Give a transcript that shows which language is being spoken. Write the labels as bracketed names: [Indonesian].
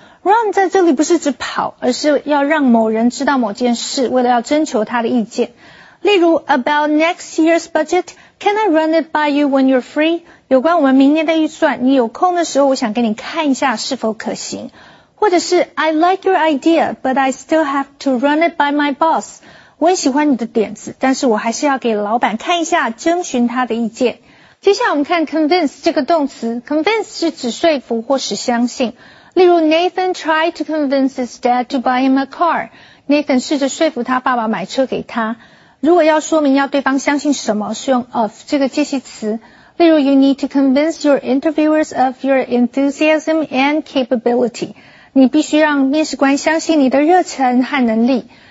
[Chinese] Run 在这里不是指跑，而是要让某人知道某件事，为了要征求他的意见。例如 [English] about next year's budget, can I run it by you when you're free? [Chinese] 有关我们明年的预算，你有空的时候我想给你看一下是否可行。或者是 [English] I like your idea, but I still have to run it by my boss. [Chinese] 我很喜欢你的点子，但是我还是要给老板看一下，征询他的意见。接下来我们看 convince 这个动词， convince 是指说服或使相信。例如 [English] Nathan tried to convince his dad to buy him a car. [Chinese] Nathan 试着说服他爸爸买车给他。如果要说明要对方相信什么，是用 of 这个介系词。例如 [English] You need to convince your interviewers of your enthusiasm and capability. [Chinese] 你必须让面试官相信你的热忱和能力。